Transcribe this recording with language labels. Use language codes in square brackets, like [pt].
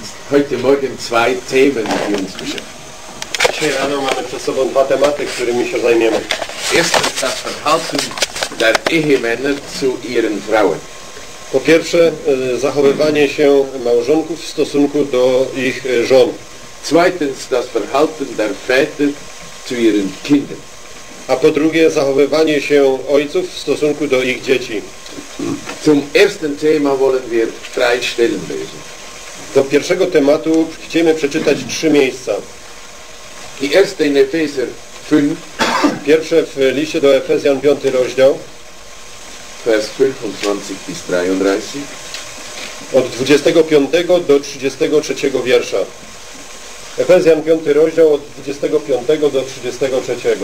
[de] heute Morgen zwei Themen, die uns beschäftigen. [pl] Dzisiaj rano mamy przed sobą dwa tematy, którymi się zajmiemy. [de] Erstens das Verhalten der Ehemänner zu ihren Frauen. [pl] Po pierwsze, zachowywanie się małżonków w stosunku do ich żon. [de] Zweitens das Verhalten der Väter zu ihren Kindern. [pl] A po drugie, zachowywanie się ojców w stosunku do ich dzieci. [de] Zum ersten Thema wollen wir drei Stellen lesen. [pl] Do pierwszego tematu chcemy przeczytać trzy miejsca. Pierwsze w liście do Efezjan, 5 rozdział. [de] Vers 25 bis 33. [pl] Od 25 do 33 wiersza. Efezjan, 5 rozdział, od 25 do 33.